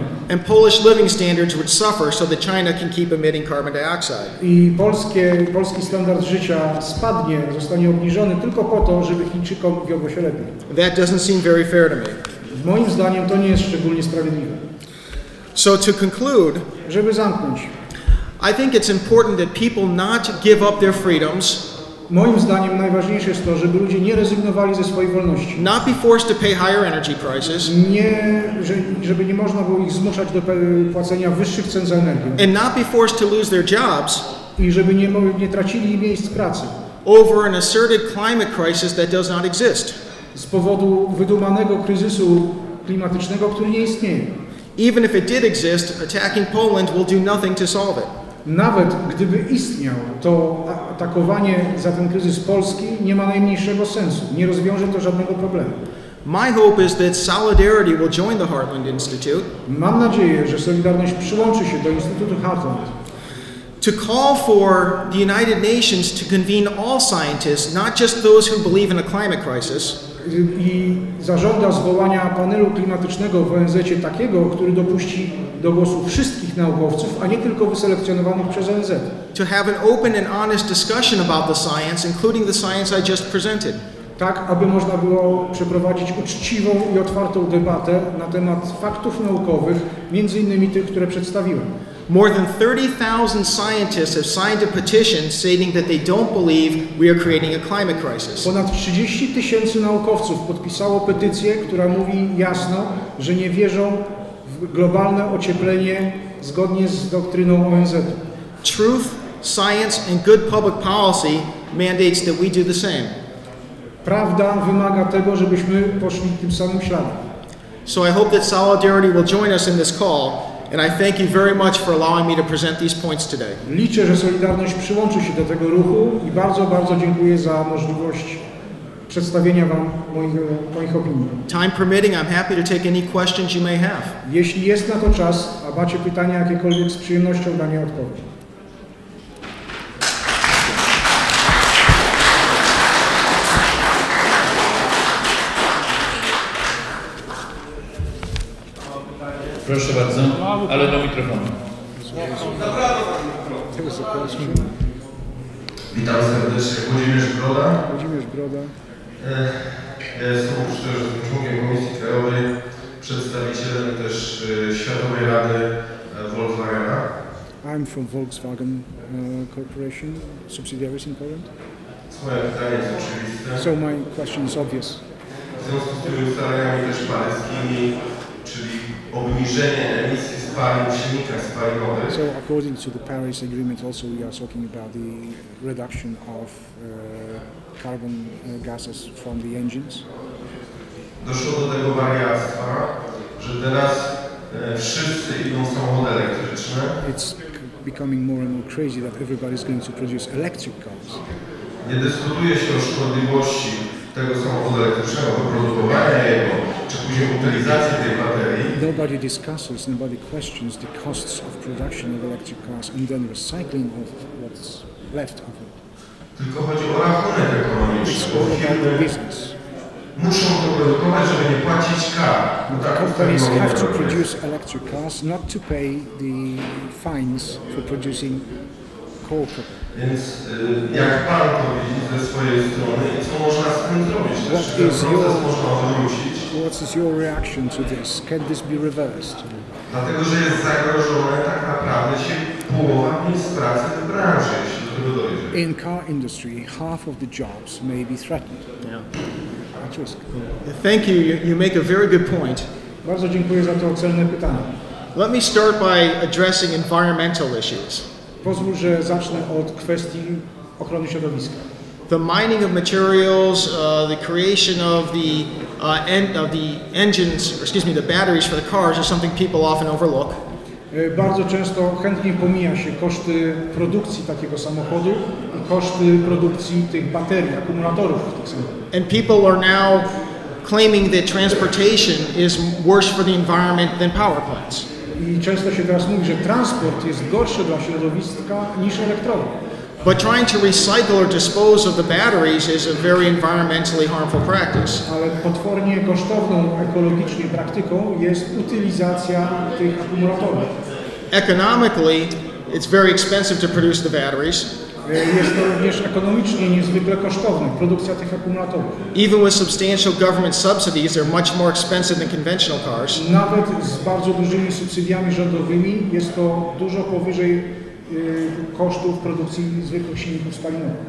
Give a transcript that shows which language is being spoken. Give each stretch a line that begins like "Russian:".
English: And Polish living standards would suffer so that China can keep emitting carbon dioxide.
Polish: I polski standard życia spadnie, zostanie obniżony tylko po to, żeby Chińczykom wiodło się lepiej.
English: That doesn't seem very fair to me.
Polish: Moim zdaniem to nie jest szczególnie sprawiedliwe.
English: So to conclude,
Polish: żeby zamknąć,
English: I think it's important that people not give up their freedoms.
Polish: Moim zdaniem najważniejsze jest to, żeby ludzie nie rezygnowali ze swojej wolności.
English: Not be forced to pay higher energy prices.
Polish: Nie, żeby nie można było ich zmuszać do płacenia wyższych cen za energię.
English: And not be forced to lose their jobs.
Polish: I żeby nie tracili miejsc pracy.
English: Over an asserted climate crisis that does not exist.
Polish: Z powodu wydumanego kryzysu klimatycznego, który nie istnieje.
English: Even if it did exist, attacking Poland will do nothing to solve it.
Polish: Nawet gdyby istniał, to atakowanie za ten kryzys Polski nie ma najmniejszego sensu. Nie rozwiąże to żadnego problemu.
English: My hope is that solidarity will join the Heartland Institute.
Polish: Mam nadzieję, że Solidarność przyłączy się do Instytutu Heartland.
English: To call for the United Nations to convene all scientists, not just those who believe in a climate crisis.
Polish: I zażąda zwołania panelu klimatycznego w ONZ-cie takiego, który dopuści do głosu wszystkich naukowców, a nie tylko wyselekcjonowanych przez ONZ.
English: To have an open and honest discussion about the science, including the science I just presented.
Polish: Tak, aby można było przeprowadzić uczciwą i otwartą debatę na temat faktów naukowych, między innymi tych, które przedstawiłem.
English: More than 30,000 scientists have signed a petition stating that they don't believe we are creating a climate crisis.
Polish: Ponad 30 tysięcy naukowców podpisało petycję, która mówi jasno, że nie wierzą w globalne ocieplenie zgodnie z doktryną ONZ.
English: Truth, science and good public policy mandates that we do the same.
Polish: Prawda wymaga tego, żebyśmy poszli tym samym śladem.
English: So I hope that solidarity will join us in this call. And I thank you very much for allowing me to present these points today.
Polish: Liczę, że Solidarność przyłączy się do tego ruchu i bardzo, bardzo dziękuję za możliwość przedstawienia wam moich opinii.
English: Time permitting, I'm happy to take any questions you may have.
Polish: Jeśli jest na to czas, a macie pytania jakiekolwiek, z przyjemnością na nie odpowiem. Proszę bardzo, ale do mikrofonu. Witam serdecznie, Włodzimierz Broda. Jestem też członkiem Komisji Krajowej, przedstawicielem też Światowej Rady Volkswagena.
English: I'm from Volkswagen Corporation, subsidiaries in Poland.
Polish: Moje pytanie jest oczywiste.
English: So my question is obvious.
Polish: W związku z tymi ustaleniami też paryskimi, czyli obniżenie emisji spalin w silnikach spalinowych.
English: So according to the Paris Agreement also we are talking about the reduction of carbon gases from the engines.
Polish: Doszło do tego wariactwa, że teraz wszyscy idą samochody elektryczne.
English: It's becoming more and more crazy that everybody is going to produce electric cars.
Polish: Nie dyskutuje się o szkodliwości tego samochodu elektrycznego, wyprodukowania jego, czy później utylizacji tej baterii.
English: Nobody discusses, nobody questions the costs of production of electric cars and then recycling of what's left of it.
Polish: Tylko chodzi o rachunek ekonomiczny, bo firmy muszą to produkować, żeby nie płacić kar.
English: Companies have to produce electric cars, not to pay the fines for producing corporate.
Polish: Więc jak pan to widzi ze swojej strony, co można z tym zrobić? Czy ten proces można odwrócić?
English: What is your reaction to this? Can this be reversed?
Polish: Dlatego, że jest zagrożone tak naprawdę się połowa miejsc pracy w branży, jeśli do tego dojdzie.
English: In car industry, half of the jobs may be threatened. Yeah. At risk. Yeah. Thank you. You make a very good point.
Polish: Bardzo dziękuję za to celne pytanie.
English: Let me start by addressing environmental issues.
Polish: Pozwól, że zacznę od kwestii ochrony środowiska.
English: The mining of materials, the creation of the end of the engines, or excuse me, the batteries for the cars is something people often overlook.
Polish: Bardzo często chętnie pomija się koszty produkcji takiego samochodu i koszty produkcji tych baterii, akumulatorów w tych samochodach.
English: And people are now claiming that transportation is worse for the environment than power plants.
Polish: I często się teraz mówi, że transport jest gorszy dla środowiska niż elektrownia.
English: But trying to recycle or dispose of the batteries is a very environmentally harmful practice.
Polish: Ale potwornie kosztowną ekologicznie praktyką jest utylizacja tych akumulatorów.
English: Economically, it's very expensive to produce the batteries.
Polish: Jest to również ekonomicznie niezwykle kosztowne, produkcja tych akumulatorów.
English: Even with substantial government subsidies, they're much more expensive than conventional cars.
Polish: Nawet z bardzo dużymi subsydiami rządowymi jest to dużo powyżej kosztów produkcji zwykłych silników spalinowych.